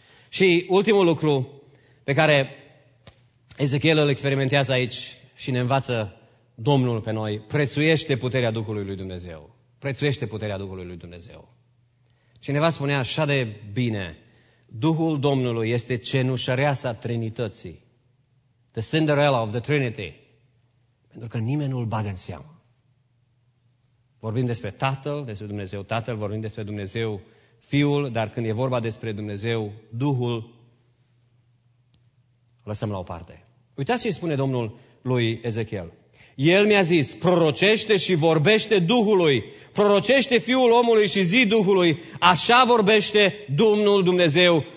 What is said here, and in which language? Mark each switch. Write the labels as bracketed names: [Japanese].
[Romanian] Și ultimul lucru pe care Ezechiel îl experimentează aici și ne învață Domnul pe noi, prețuiește puterea Duhului lui Dumnezeu. Prețuiește puterea Duhului lui Dumnezeu. Cineva spunea așa de bine, Duhul Domnului este cenușăreasa Trinității. [English] The Cinderella of the Trinity. [Romanian] Pentru că nimeni nu-L bagă în seamă. Vorbim despre Tatăl, despre Dumnezeu Tatăl, vorbim despre Dumnezeu Fiul, dar când e vorba despre Dumnezeu Duhul, lăsăm la o parte. Uitați ce spune Domnul lui Ezechiel. El mi-a zis, prorocește și vorbește Duhului, prorocește Fiul omului și zi Duhului, așa vorbește Domnul Dumnezeu.